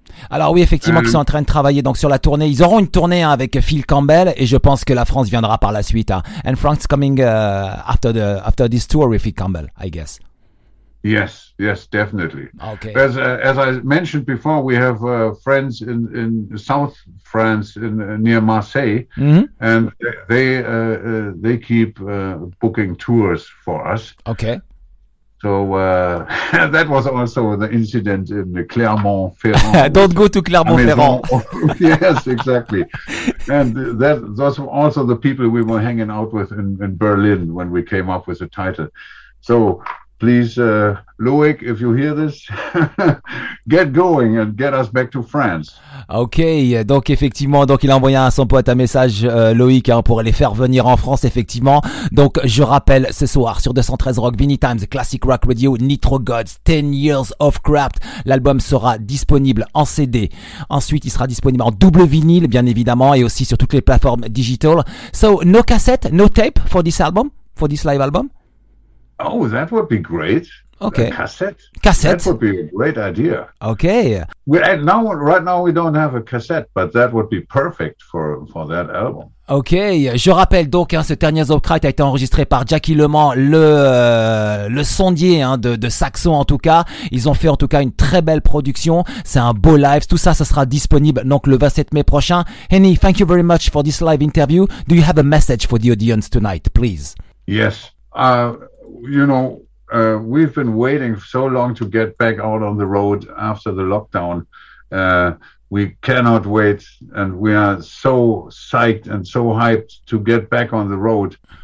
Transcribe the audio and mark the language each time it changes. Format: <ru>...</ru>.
<fr>Alors oui, effectivement, ils sont en train de travailler donc sur la tournée. Ils auront une tournée hein, avec Phil Campbell, et je pense que la France viendra par la suite.</fr> <en>Hein. And France coming after this tour with Phil Campbell, I guess. Yes, definitely. Okay. As I mentioned before, we have friends in South France, near Marseille, mm-hmm. and they keep booking tours for us. Okay. So that was also the incident in Clermont-Ferrand. Don't go to Clermont-Ferrand. Yes, exactly. And those were also the people we were hanging out with in Berlin when we came up with the title. So please, Loic, if you hear this, get going and get us back to France.</en> <fr>Ok, donc effectivement, donc il a envoyé à son pote un message, Loïc, hein, pour les faire venir en France, effectivement. Donc je rappelle, ce soir sur 213 Rock, Vinny Times, Classic Rock Radio, Nitro Gods, 10 Years of Craft. L'album sera disponible en CD. Ensuite, il sera disponible en double vinyle, bien évidemment, et aussi sur toutes les plateformes digitales.</fr> <en>So, no cassette, no tape for this album, for this live album? Oh, that would be great. Okay. A cassette. Cassette. That would be a great idea. Okay. Right now we don't have a cassette, but that would be perfect for that album.</en> <fr>Ok, je rappelle donc, hein, ce dernier Zopcrite a été enregistré par Jackie Le Mans, le sondier hein, de Saxo en tout cas. Ils ont fait en tout cas une très belle production, c'est un beau live, tout ça sera disponible donc le 27 mai prochain.</fr> <en>Henny, thank you very much for this live interview. Do you have a message for the audience tonight, please? Yes, we've been waiting so long to get back out on the road after the lockdown. We cannot wait, and we are so psyched and so hyped to get back on the road.</en>